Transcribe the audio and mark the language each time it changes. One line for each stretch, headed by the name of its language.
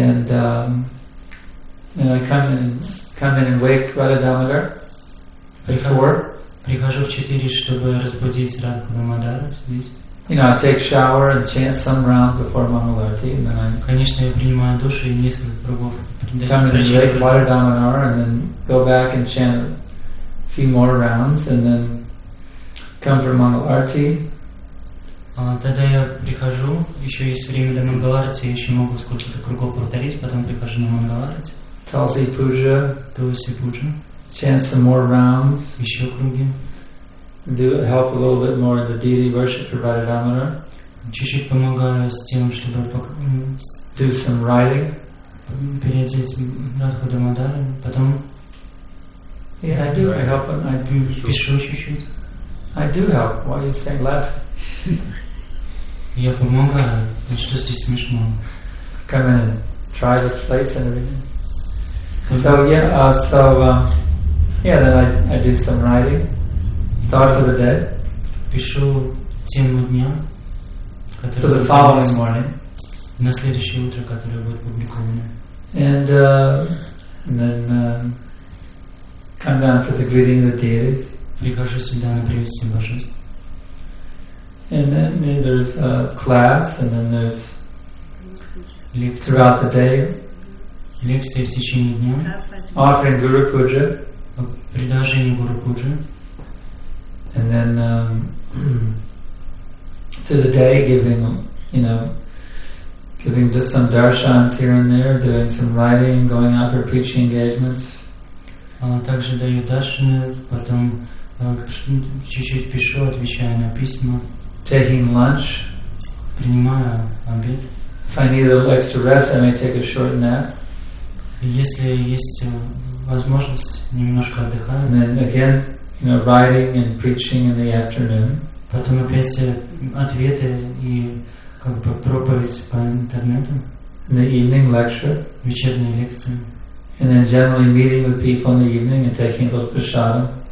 English: And I come in and wake Radha-damodar before.
Russian: Прихожу в 4, чтобы разбудить Радха-дамодара здесь.
English: You know, I take shower and chant some round before Mangalarti, and then I.
Russian: Конечно, я принимаю душ и несколько кругов.
English: Come in and wake Radha-damodar, and then go back and chant a few more rounds, and then come for Mangalarti.
Russian: Тогда я прихожу, еще есть время до Мангаларти, еще могу сколько-то кругов повторить, потом прихожу на Мангаларти.
English: Tulsi Puja. Tulsi Puja. Chant some more rounds.
Russian: Еще круги.
English: Do help a little bit more in the deity worship for Radha-damodar.
Russian: Чуть-чуть помогаю с тем, чтобы
English: do some writing.
Russian: Переодеть Радха-дамодар, потом.
English: Yeah, I do. Right. I help. I do.
Russian: Пишу чуть-чуть.
English: I do help. Why are you saying laugh?
Russian: Я помогаю. Что здесь смешно?
English: Come in and try the plates and everything. So yeah, then I do some writing, thought for the day.
Russian: Пишу тему дня,
English: for the following morning.
Russian: На следующее утро, которое будет публиковано.
English: And then come down for the greeting of the deities.
Russian: Прихожу сюда на приветствие божеств.
English: And then there's a class, and then there's lecture throughout the day.
Russian: Лекция в течение дня.
English: Offering Guru Puja.
Russian: Предложение Guru Puja.
English: And then to the day giving, you know, giving just some darshans here and there, doing some writing, going out for preaching engagements.
Russian: Также даю даршаны, потом чуть-чуть пишу, отвечаю на письма.
English: Taking lunch.
Russian: Принимаю обед.
English: If I need a little extra rest, I may take a short nap.
Russian: Если есть возможность, немножко отдыхаю.
English: And then again, you know, writing and preaching in the afternoon.
Russian: Потом опять ответы и как бы проповедь по интернету.
English: In the evening lecture.
Russian: Вечерняя лекция.
English: And then generally meeting with people in the evening and taking a little prasadam.